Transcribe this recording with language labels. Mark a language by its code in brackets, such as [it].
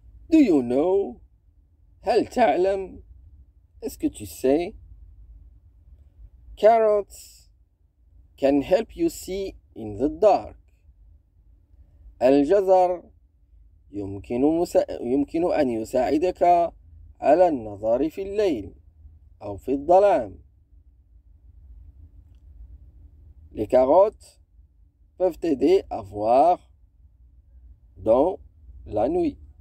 [en] Do you know? [ar] هل تعلم؟ [fr] Est-ce que tu sais? [en] Carrots can help you see in the dark. [ar] الجزر يمكن أن يساعدك على النظر في الليل أو في الظلام. [fr] Les carottes peuvent t'aider à voir dans la nuit.